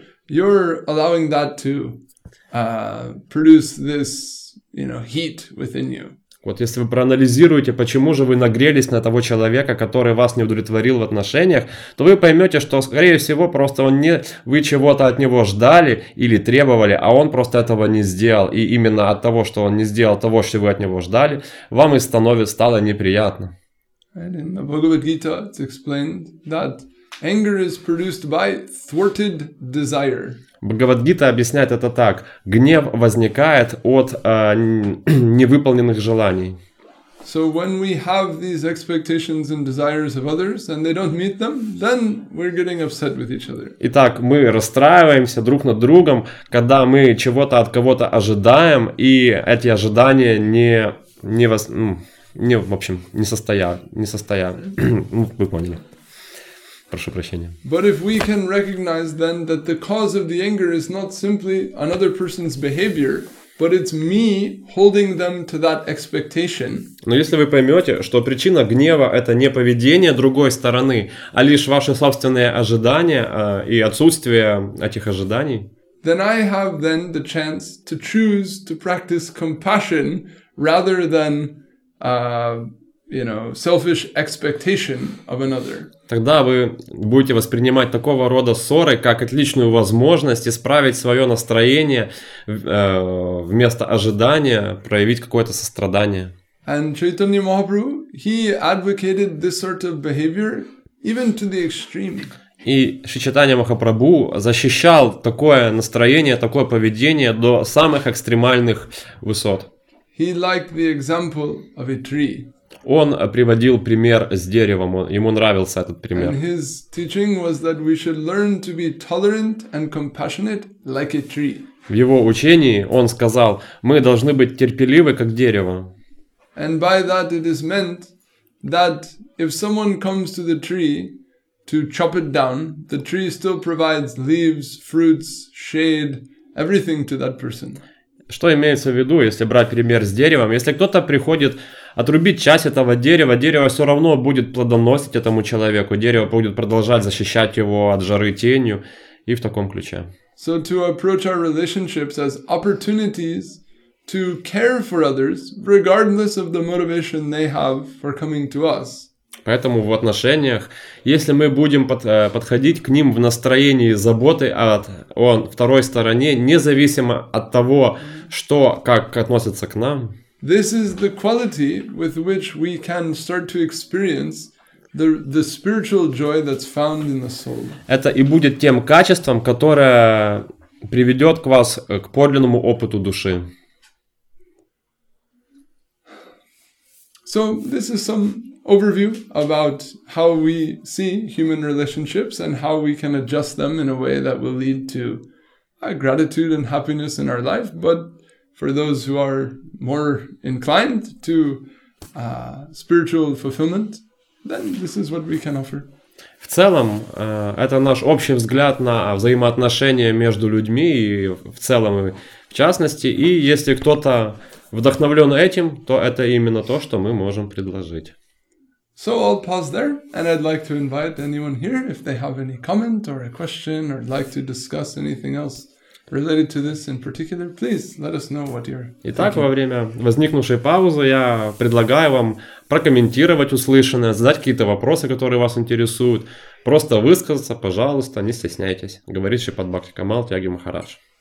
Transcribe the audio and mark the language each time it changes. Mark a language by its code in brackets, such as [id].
[en] You're allowing that to produce this, you know, heat within you. [ru] Вот если вы проанализируете, почему же вы нагрелись на того человека, который вас не удовлетворил в отношениях, то вы поймете, что, скорее всего, просто вы чего-то от него ждали или требовали, а он просто этого не сделал. И именно от того, что он не сделал того, что вы от него ждали, вам и стало неприятно. [en] And in the Bhagavad Gita it's explained that anger is produced by thwarted desire. [ru] Бхагавад-гита объясняет это так. Гнев возникает от невыполненных желаний. [en] So when we have these expectations and desires of others and they don't meet them, then we're getting upset with each other. [ru] Итак, мы расстраиваемся друг над другом, когда мы чего-то от кого-то ожидаем, и эти ожидания вы поняли. Прошу прощения. [en] But if we can recognize then that the cause of the anger is not simply another person's behavior, but it's me holding them to that expectation. [ru] Но если вы поймете, что причина гнева это не поведение другой стороны, а лишь ваши собственные ожидания и отсутствие этих ожиданий, [en] then I have then the chance to choose to practice compassion rather than selfish expectation of another. [ru] Тогда вы будете воспринимать такого рода ссоры как отличную возможность исправить свое настроение вместо ожидания проявить какое-то сострадание. [en] And Chaitanya Mahaprabhu, he advocated this sort of behavior even to the extreme. [ru] И Шри Чайтанья Махапрабху защищал такое настроение, такое поведение до самых экстремальных высот. [en] He liked the example of a tree. [ru] Он приводил пример с деревом, ему нравился этот пример. [en] And his teaching was that we should learn to be tolerant and compassionate like a tree. [ru] В его учении он сказал: мы должны быть терпеливы, как дерево. [en] And by that it is meant that if someone comes to the tree to chop it down, the tree still provides leaves, fruits, shade, everything to that person. [ru] Что имеется в виду, если брать пример с деревом? Если кто-то приходит отрубить часть этого дерева, дерево все равно будет плодоносить этому человеку, дерево будет продолжать защищать его от жары тенью и в таком ключе. [en] So to approach our relationships as opportunities to care for others, regardless of the motivation they have for coming to us. [ru] Поэтому в отношениях, если мы будем подходить к ним в настроении заботы о второй стороне, независимо от того, что, как относится к нам, [en] this is the quality with which we can start to experience the spiritual joy that's found in the soul. [ru] Это и будет тем качеством, которое приведет к вас к подлинному опыту души. [en] So this is some overview about how we see human relationships and how we can adjust them in a way that will lead to gratitude and happiness in our life. But for those who are more inclined to spiritual fulfillment, then this is what we can offer. [ru] В целом, это наш общий взгляд на взаимоотношения между людьми и в целом, в частности, и если кто-то вдохновлен этим, то это именно то, что мы можем предложить. [en] So I'll pause there, and I'd like to invite anyone here, if they have any comment or a question, or like to discuss anything else related to this in particular, please let us know what you're thinking. [ru] Итак, во время возникнувшей паузы я предлагаю вам прокомментировать услышанное, задать какие-то вопросы, которые вас интересуют, просто высказаться, пожалуйста, не стесняйтесь. Говорит Шипад Бхакти Камал Тяги Махарадж.